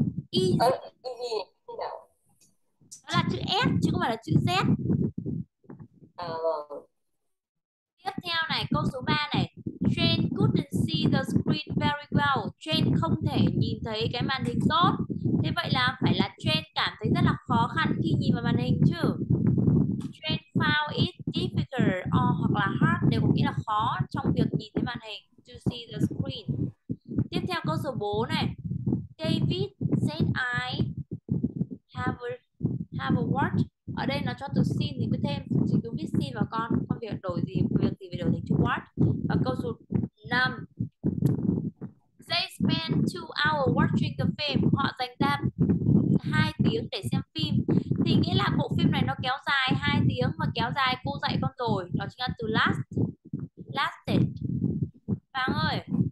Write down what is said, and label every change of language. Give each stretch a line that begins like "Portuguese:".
Vietnamese: Easy là chữ S chứ không phải là chữ Z. Tiếp theo này, câu số 3 này.
English: Jane couldn't see the screen very well.
Vietnamese: Jane không thể nhìn thấy cái màn hình tốt. Thế vậy là phải là Jane cảm thấy rất là khó khăn khi nhìn vào màn hình chứ.
English: Jane found it difficult
Vietnamese: hoặc là hard đều có nghĩa là khó trong việc nhìn thấy màn hình,
English: to see the screen.
Vietnamese: Tiếp theo câu số 4 này.
English: David said I have a watch.
Vietnamese: Ở đây nó cho từ seen thì cứ thêm, chỉ cứ viết seen vào con việc đổi gì, việc gì phải đổi thành chữ watch. Và câu số 5.
English: They spend 2 hours watching the film.
Vietnamese: Họ dành ra 2 tiếng để xem phim. Thì nghĩa là bộ phim này nó kéo dài 2 tiếng mà kéo dài cô dạy con rồi. Nó chính là từ last. Lasted. Bạn ơi.